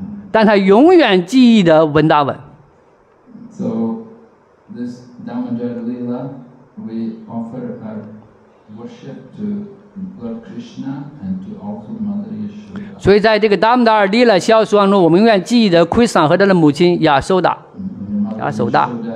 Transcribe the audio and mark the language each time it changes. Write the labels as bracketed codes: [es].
[zh] 但他永远记忆的文达文。 [en] So this Damodar Lila, we offer our worship to Lord Krishna and to also Mother Yashoda. [zh] 所以在这个 Damodar Lila 小说当中，我们永远记忆的 Krishna 和他的母亲亚苏达。亚苏达。